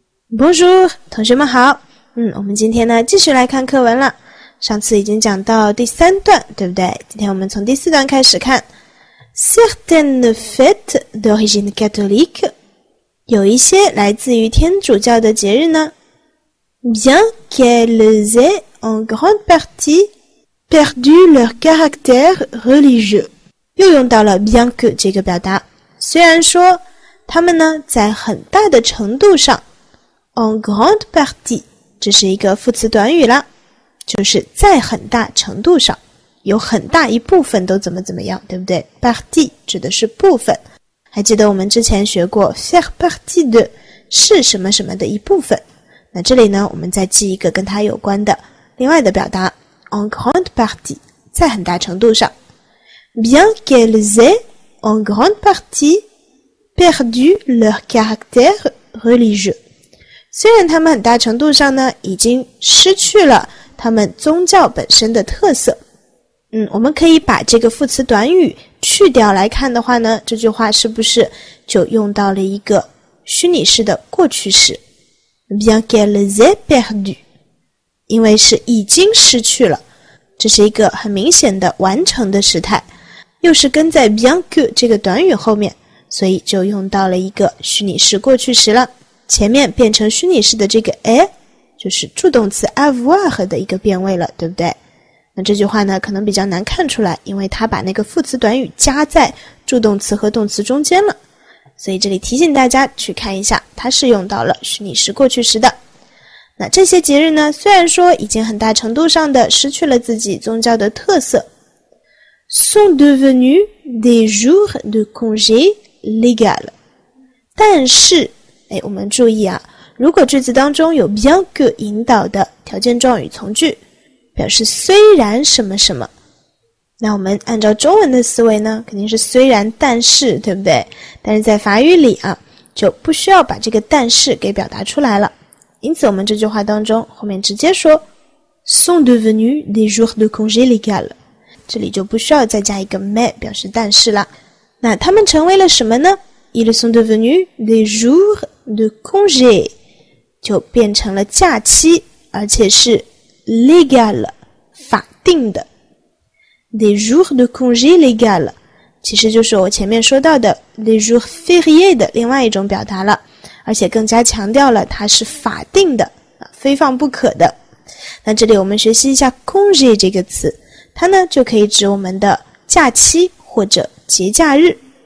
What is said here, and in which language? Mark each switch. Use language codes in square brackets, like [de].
[zh] Bonjour, 同学们好。我们今天呢继续来看课文了。上次已经讲到第三段，对不对？今天我们从第四段开始看。 [fr] Certaines fêtes d'origine catholique, [zh] 有一些来自于天主教的节日呢。 [fr] Bien qu'elles aient en grande partie perdu leur caractère religieux. [zh] 又用到了 bien que 这个表达。虽然说他们呢在很大的程度上 [fr] en grande partie, [zh] 这是一个副词短语啦。就是在很大程度上有很大一部分都怎么怎么样，对不对？ partie 指的是部分。还记得我们之前学过 [fr] faire partie de, [zh] 是什么什么的一部分。那这里呢我们再记一个跟它有关的另外的表达 [fr] en grande partie, [zh] 在很大程度上。 [fr] Bien qu'elles aient en grande partie perdu leur caractère religieux. [zh] 虽然他们很大程度上呢已经失去了他们宗教本身的特色。我们可以把这个副词短语去掉来看的话呢，这句话是不是就用到了一个虚拟式的过去式。 [fr] Bien qu'elles aient perdu, [zh] 因为是已经失去了，这是一个很明显的完成的时态，又是跟在 bien que 这个短语后面，所以就用到了一个虚拟式过去时了。前面变成虚拟式的这个 est, 就是助动词 avoir 的一个变位了，对不对？那这句话呢可能比较难看出来，因为它把那个副词短语加在助动词和动词中间了。所以这里提醒大家去看一下，它是用到了虚拟时过去时的。那这些节日呢，虽然说已经很大程度上的失去了自己宗教的特色。 [fr] sont devenus des jours de congé légal. [zh] 但是，我们注意啊，如果句子当中有 bien que 引导的条件状语从句，表示虽然什么什么。那我们按照中文的思维呢，肯定是虽然但是，对不对？但是在法语里啊，就不需要把这个但是给表达出来了。因此我们这句话当中后面直接说 [fr] sont devenus des jours de congé légal, [zh] 这里就不需要再加一个 mais 表示但是了。那他们成为了什么呢？ [fr] ils sont devenus des jours de congé, [zh] 就变成了假期，而且是 légal, 法定的。 [fr] Des jours de congé légal, [zh] 其实就是我前面说到的 [fr] les jours fériés [zh] 的另外一种表达了，而且更加强调了它是法定的，非放不可的。那这里我们学习一下 congé 这个词，它呢就可以指我们的假期或者节假日。